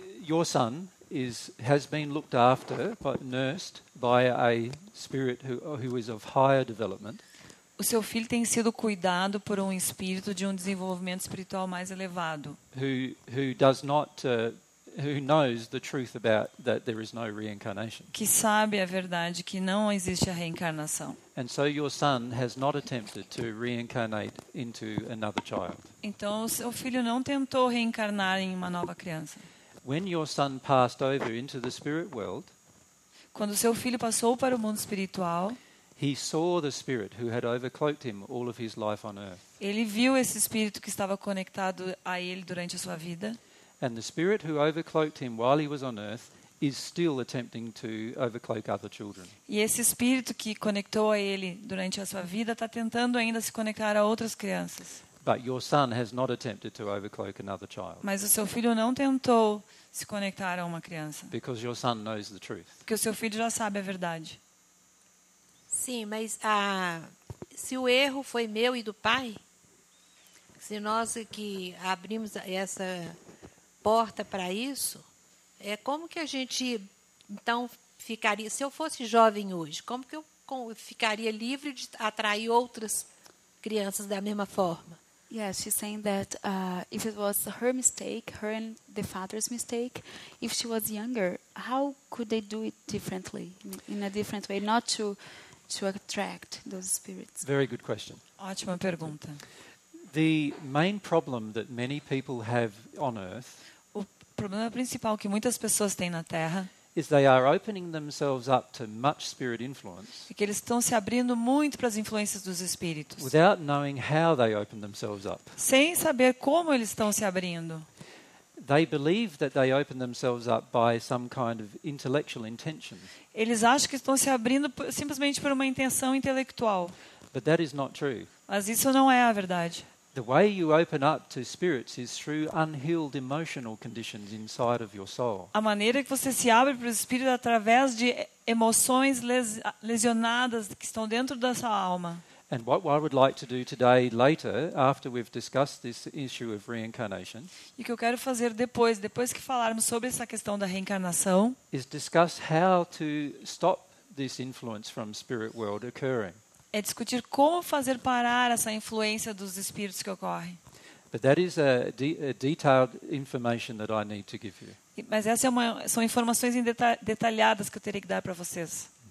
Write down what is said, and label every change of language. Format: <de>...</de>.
<en>Your son has been looked after, but nursed by a spirit who is of higher development.</en> <pt>O seu filho tem sido cuidado por um espírito de um desenvolvimento espiritual mais elevado. Que sabe a verdade que não existe a reencarnação.</pt> <en>And so your son has not attempted to reincarnate into another child.</en> <pt>Então seu filho não tentou reencarnar em uma nova criança.</pt> <en>When your son passed over into the spirit world,</en> <pt>quando seu filho passou para o mundo espiritual,</pt> <en>he saw the spirit who had overcloaked him all of his life on earth.</en> <pt>Ele viu esse espírito que estava conectado a ele durante a sua vida.</pt> <en>And the spirit who overcloaked him while he was on earth is still attempting to overcloak other children.</en> <pt>E esse espírito que conectou a ele durante a sua vida está tentando ainda se conectar a outras crianças.</pt> <en>But your son has not attempted to overcloak another child.</en> <pt>Mas o seu filho não tentou se conectar a uma criança.</pt> <en>Because your son knows the truth.</en> <pt>Porque o seu filho já sabe a verdade. Sim, mas se o erro foi meu e do pai, se nós que abrimos essa porta para isso, como que a gente então ficaria, se eu fosse jovem hoje, como que eu ficaria livre de atrair outras crianças da mesma forma?</pt> <en>Yes, she's saying that if it was her mistake, her and the father's mistake, if she was younger, how could they do it differently, in a different way, not to attract those spirits. Very good question.</en> <pt>Ótima pergunta.</pt> <en>The main problem that many people have on earth,</en> <pt>o problema principal que muitas pessoas têm na Terra,</pt> <en>is they are opening themselves up to much spirit influence.</en> <pt>É que eles estão se abrindo muito para as influências dos espíritos.</pt> <en>Without knowing how they open themselves up.</en> <pt>Sem saber como eles estão se abrindo.</pt> <en>They believe that they open themselves up by some kind of intellectual intention.</en> <pt>Eles acham que estão se abrindo simplesmente por uma intenção intelectual.</pt> <en>But that is not true.</en> <pt>Mas isso não é a verdade.</pt> <en>The way you open up to spirits is through unhealed emotional conditions inside of your soul.</en> <pt>A maneira que você se abre para o espírito é através de emoções lesionadas que estão dentro da sua alma.</pt> <en>And what I would like to do today, later, after we've discussed this issue of reincarnation,</en> <pt>e o que eu quero fazer depois que falarmos sobre essa questão da reencarnação,</pt> <en>is discuss how to stop this influence from spirit world occurring.</en> <pt>É discutir como fazer parar essa influência dos espíritos que ocorre.</pt> <en>But that is a detailed information that I need to give you.</en> <pt>Mas essas são informações detalhadas que eu terei que dar para vocês.</pt>